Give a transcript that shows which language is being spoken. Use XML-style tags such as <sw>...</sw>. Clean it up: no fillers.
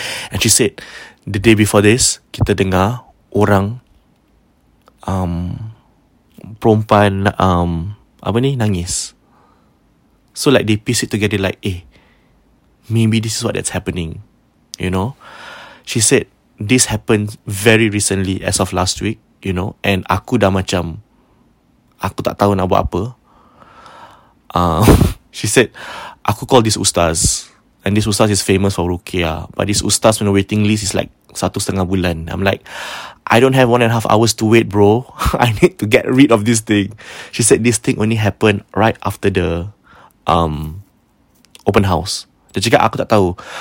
<en>And she said, the day before this,</en> <ms>kita dengar orang, perempuan, apa ni, nangis.</ms> <en>So like they piece it together, like, eh, maybe this is what that's happening, you know. She said this happened very recently, as of last week, you know.</en> <ms>And aku dah macam, aku tak tahu nak buat apa.</ms> <en>She said,</en> <ms>aku</ms> <en>call this ustaz, and this ustaz is famous for Rukia, but this ustaz when the waiting list is like 1.5 bulan. I'm like, I don't have 1.5 hours to wait, bro. I need to get rid of this thing. She said this thing only happened right after the open house.</en> <ms>Dia cakap, aku tak tahu.</ms>